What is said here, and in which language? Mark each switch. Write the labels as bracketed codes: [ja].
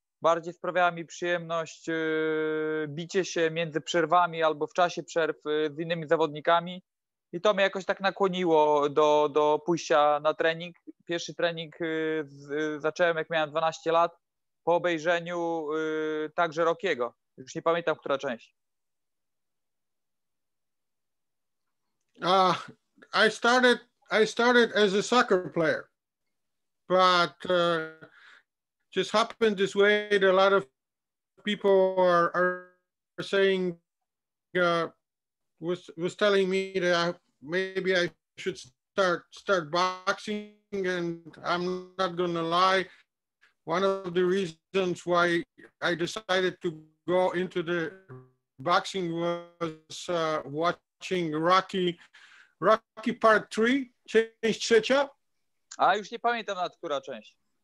[pl] Bardziej sprawiało mi przyjemność bicie się między przerwami albo w czasie przerw z innymi zawodnikami. I to mnie jakoś tak nakłoniło do pójścia na trening. Pierwszy trening zacząłem, jak miałem 12 lat, po obejrzeniu także Rockiego. Już nie pamiętam, która część. [en] I started as a soccer player, but just happened this way that a lot of people are saying was telling me that maybe I should start boxing, and I'm not gonna lie, one of the reasons why I decided to go into the boxing was watching Rocky Part 3, [pl] część trzecia. A już nie pamiętam, nad która część.